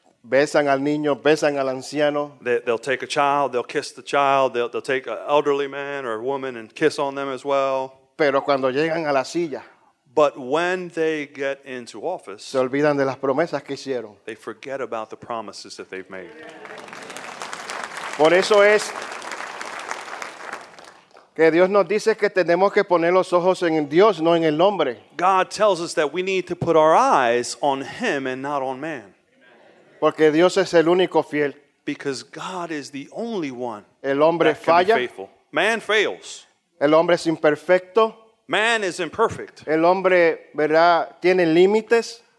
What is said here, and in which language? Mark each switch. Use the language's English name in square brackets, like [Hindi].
[Spanish] Besan al niño, besan al anciano. [English] They'll take a child, they'll kiss the child, they'll take an elderly man or a woman and kiss on them as well. [Spanish] Pero cuando llegan a la silla. [English] But when they get into office. [Spanish] Se olvidan de las promesas que hicieron. [English] They forget about the promises that they've made. [Spanish] Por eso es que Dios nos dice que tenemos que poner los ojos en Dios, no en el hombre. [English] God tells us that we need to put our eyes on Him and not on man. [Spanish] Porque Dios es el único fiel. [English] Because God is the only one. [Spanish] El hombre [English] that [Spanish] falla. [English] Can be faithful. Man fails. [Spanish] El hombre es imperfecto. [English] Man is imperfect. [Spanish] El hombre, ¿verdad?, tiene límites.